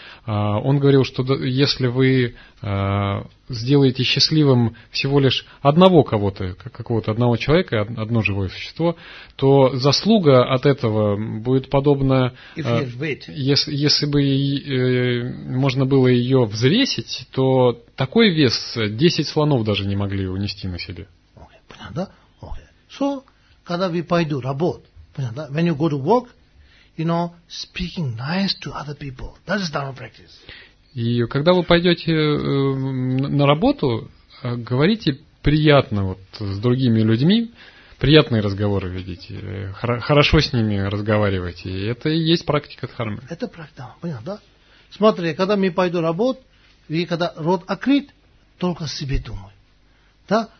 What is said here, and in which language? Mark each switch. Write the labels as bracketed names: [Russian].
[Russian] Он говорил, что если вы сделаете счастливым всего лишь одного кого-то, какого-то одного человека, одно живое существо, то заслуга от этого будет подобна, если бы можно было ее взвесить, то такой вес 10 слонов даже не могли унести на себе. Понятно, да? Okay. So, когда вы пойду работать, понятно, да? [English] When you go to work, you know, speaking nice to other people, that is dharma practice. [Russian] И когда вы пойдете на работу, говорите приятно вот с другими людьми, приятные разговоры ведите, хорошо с ними разговаривайте. Это и есть практика дхармы. Это практика, понятно, да? Смотри, когда мы пойду работать, и когда рот открыт, только себе думаю. Да?